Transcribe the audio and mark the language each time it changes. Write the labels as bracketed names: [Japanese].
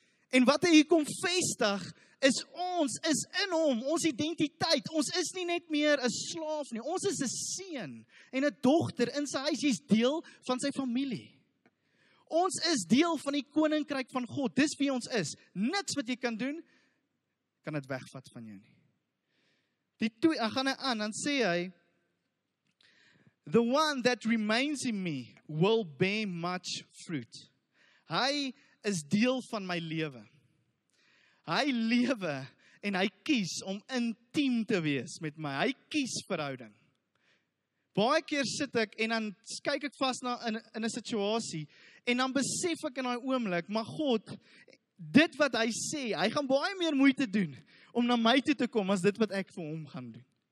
[Afrikaans] En wat hy hier kom vestig is ons is in hom, ons identiteit, ons is nie net meer 'n slaaf nie, ons is 'n seun en 'n dogter in sy huis, jy's deel van sy familie. Ons is deel van die koninkryk van God, dis wie ons is, niks wat jy kan doen, kan dit wegvat van jou nie. Dan sê hy, [English] the one that remains in me will bear much fruit. [Afrikaans] Hy is deel van my lewe. Hy lewe en hy kies om intiem te wees met my. Hy kies verhouding. Baie keer sit ek en dan kyk ek vas na in 'n situasie en dan besef ek in daai oomblik, maar God, dit wat hy sê, hy gaan baie meer moeite doen om na my toe te kom as dit wat ek vir hom gaan doen.